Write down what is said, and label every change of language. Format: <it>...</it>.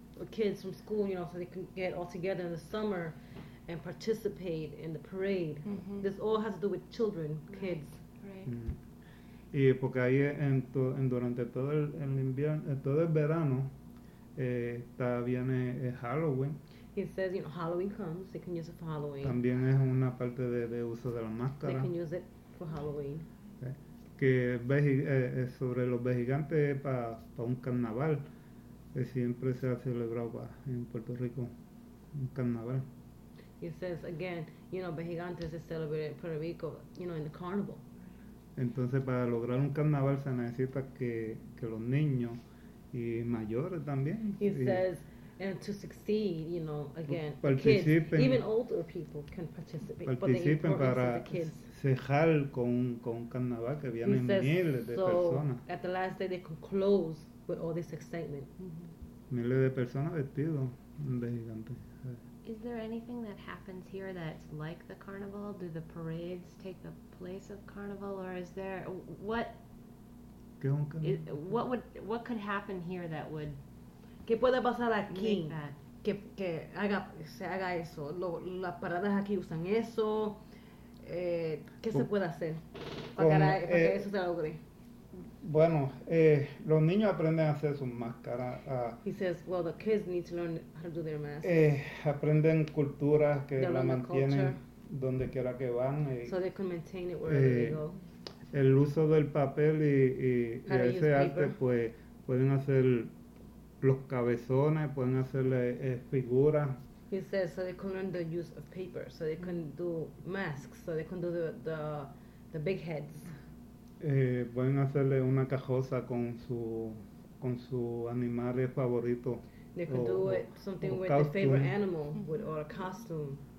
<en>kids from school, you know, so they can get all together in the summer and participate in the parade. Mm-hmm. This all has to do with children, kids. Right.</en> <es>Mm-hmm. Y porque ahí en durante todo el invierno, todo el verano, está viene Halloween.</es> <en>He says, you know, Halloween comes, they can use it for Halloween.</en> <es>También es una parte de uso de la máscara.</es> <en>They can use it for Halloween. Okay.</en> <es>Que sobre los vejigantes para un carnaval, que siempre se ha celebrado en Puerto Rico, un carnaval.</es> <en>He says, again, you know, vejigantes is celebrated in Puerto Rico, you know, in the carnival.</en> <es>Entonces, para lograr un carnaval se necesita que los niños y mayores también.</es> <en>He says, and to succeed, you know, again,</en> <es>participen,</es> <en>kids, even older people can participate,</en> <es>participen,</es> <en>but the importance</en> <es>para</es> <en>of the kids.</en> <es>Cejar con carnaval que vienen miles de personas.</es> <en>At the last day they can close with all this excitement. Mm-hmm.</en> <es>Miles de personas vestidos de gigante.</es> <en>Is there anything that happens here that's like the carnival? Do the parades take the place of carnival, or is there what could happen here that would</en> <es>¿Qué puede pasar aquí? Que haga, se haga eso. Las paradas aquí usan eso. ¿Qué se puede hacer para que eso se logre? Bueno, los niños aprenden a hacer sus máscaras.</es> <en>He says, well, the kids need to learn how to do their masks.</en> <es>Aprenden culturas que la mantienen donde quiera que van.</es> <en>So they can maintain it wherever they go.</en> <es>El uso del papel y ese arte, pues, pueden hacer los cabezones, pueden hacerle figuras.</es> <en>He says, so they can learn the use of paper, so they can do masks, so they can do the big heads.</en> <es>Pueden hacerle una cajosa con su animales favoritos.</es> <en>They can do it something with their favorite animal, with or a costume.</en>